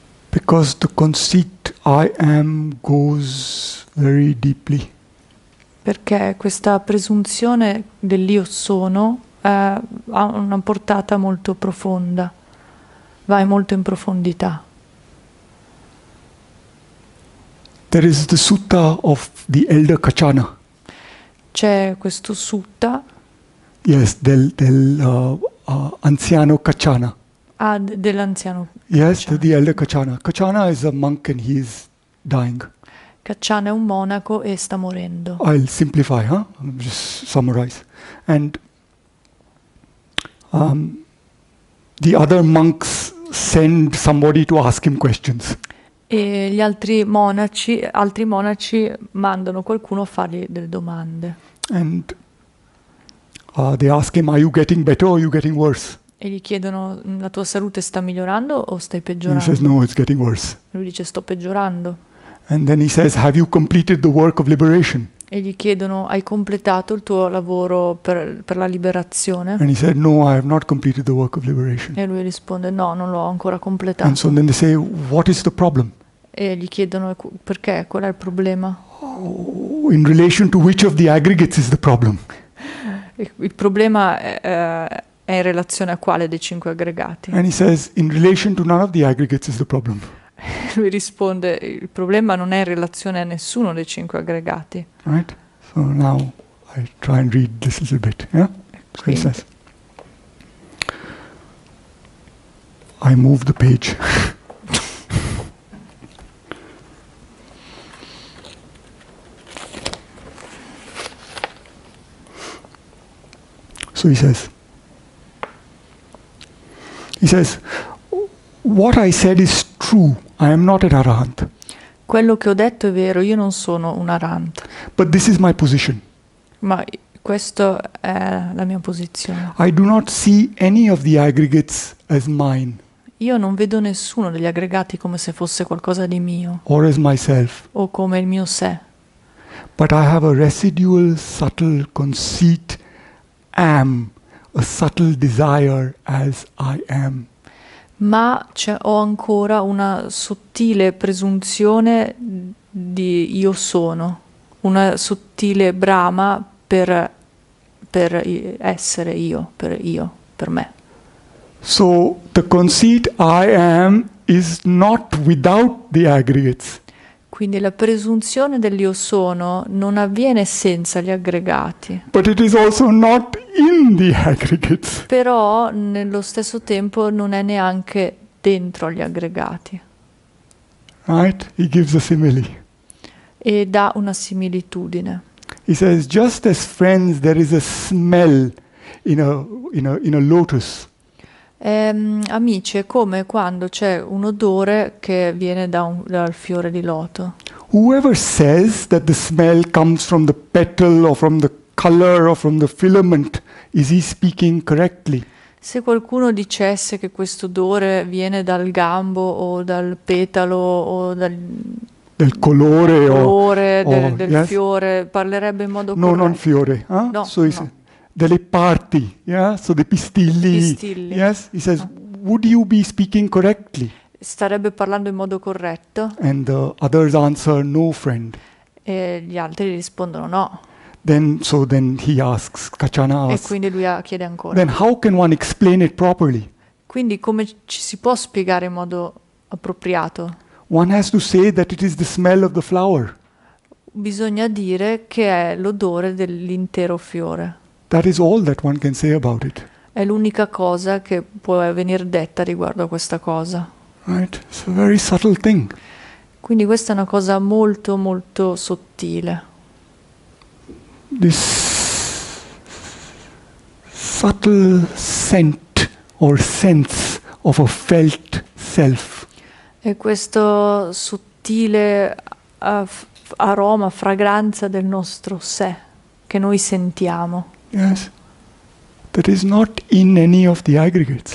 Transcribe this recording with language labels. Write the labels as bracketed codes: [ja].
[en] Because the conceit I am goes very deeply. [it] Perché questa presunzione dell'io sono ha una portata molto profonda, va molto in profondità. [en] There is the sutta of the elder Kachana. [it] C'è questo sutta Yes, dell'anziano Kachana. dell'anziano [en] Yes, the Kachana. elder Kachana. Kachana is a monk and he is dying. [it] Kachana è un monaco e sta morendo. [en] I'll simplify, huh? I'll just summarize. And the other monks send somebody to ask him questions. [it] E gli altri monaci mandano qualcuno a fargli delle domande. [en] And they ask him, "Are you getting better or are you getting worse?" [it] E gli chiedono: la tua salute sta migliorando o stai [en] And he says, "No, [it] peggiorando?" [en] it's getting worse." [it] Lui dice: sto peggiorando. [en] And then he says, "Have you completed the work of liberation?" [it] E gli chiedono: hai completato il tuo lavoro per la [en] And he [it] liberazione? [en] said, "No, I have not completed the work of liberation." [it] E lui risponde: no, non l'ho ancora [en] And so [it] completato. [en] then they say, "What is the problem?" [it] E gli chiedono: perché? Qual è il problema? [en] Oh, in relation to which of the aggregates is the problem? [it] Il problema è in relazione a quale dei cinque aggregati? [en] And he says, in relation to none of the aggregates is the problem. [it] Lui risponde: il problema non è in relazione a nessuno dei cinque aggregati. E [en] Right? So now I try and read this little bit. Yeah? So he [it] quindi. [en] says, I move the page. So he says, what I said is true, I am not an arahant. [it] Quello che ho detto è vero, io non sono un arahant. [en] But this is my position. [it] Ma questa è la mia posizione. [en] I do not see any of the aggregates as mine. [it] Io non vedo nessuno degli aggregati come se fosse qualcosa di mio. [en] Or as myself. [it] O come il mio sé. [en] But I have a residual subtle conceit, am, a subtle desire as I am. [it] Ma c'è, ho ancora una sottile presunzione di io sono, una sottile brama per essere io, per me. [en] So the conceit I am is not without the aggregates. [it] Quindi la presunzione dell'io sono non avviene senza gli aggregati. [en] But it is also not in the aggregates. [it] Però nello stesso tempo non è neanche dentro gli aggregati. [en] Right? He gives a simile. [it] E dà una similitudine. [en] He says, just as friends, there is a smell in a lotus. [it] Amici, è come quando c'è un odore che viene dal fiore di loto. [en] Whoever says that the smell comes from the petal or from the color or from the filament, is he speaking correctly? [it] Se qualcuno dicesse che questo odore viene dal gambo o dal petalo o dal del colore, del fiore, parlerebbe in modo no, corretto. Non fiore, eh? No, [en] so [it] no. Delle parti, yeah? So dei pistilli. Pistilli. [en] Yes? He says, would you be speaking correctly? [it] Starebbe parlando in modo corretto. [en] And the others answer, no, friend. [it] E gli altri rispondono no. [en] Then he asks, Kachana asks. [it] E quindi lui chiede ancora. [en] Then how can one explain it properly? [it] Quindi come ci si può spiegare in modo appropriato? [en] One has to say that it is the smell of the flower. [it] Bisogna dire che è l'odore dell'intero fiore. [en] That is all that one can say about it. [it] È l'unica cosa che può venire detta riguardo a questa cosa. [en] Right, it's a very subtle thing. [it] Quindi questa è una cosa molto molto sottile. [en] This subtle scent or sense of a felt self. [it] E questo sottile aroma, fragranza del nostro sé che noi sentiamo. [en] Yes. That is not in any of the aggregates.